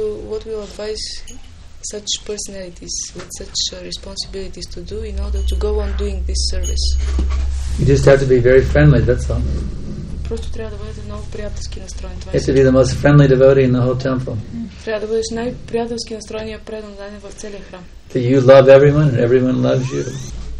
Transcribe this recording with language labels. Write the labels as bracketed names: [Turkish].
[English] What will advise such personalities with such responsibilities to do in order to go on doing this service? You just have to be very friendly, that's all. [Bulgarian] Просто трябва да бъдете много приятелски настроен. [English] You have to be the most friendly devotee in the whole temple. [Bulgarian] Трябва да бъдеш най-приятелски настроения преданен в целия храм. [English] That you love everyone and everyone loves you.